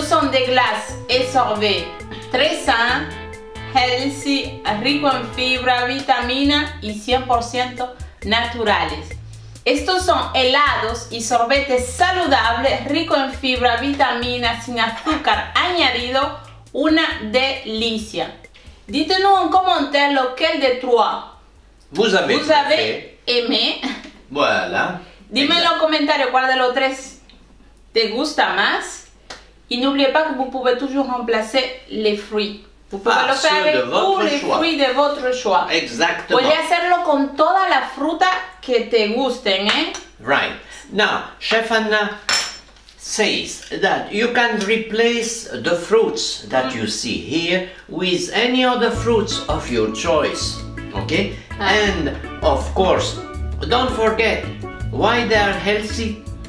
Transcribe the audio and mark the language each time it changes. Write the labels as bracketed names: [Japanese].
[French] sont des glaces et sorbets très sains, healthy, [Spanish] rico en fibra, vitamina y 100% naturales. Estos son helados y sorbetes saludables, rico en fibra, vitaminas, sin azúcar añadido, una delicia. [French] Dites-nous en commentaire lequel des trois vous avez aimé. Voilà. [Spanish] Dimelo en commentario cuál de los tres te gusta más. [French] Y n'oubliez pas que vous pouvez toujours remplacer les fruits. Vous pouvez le faire avec tous les fruits de votre choix. Exactement. [Spanish] Puedes hacerlo con toda la fruta que te gusten, ¿eh? [English] Right. Now, Chef Anna says that you can replace the fruits that you see here with any other fruits of your choice. Okay? And of course, don't forget why they are healthy.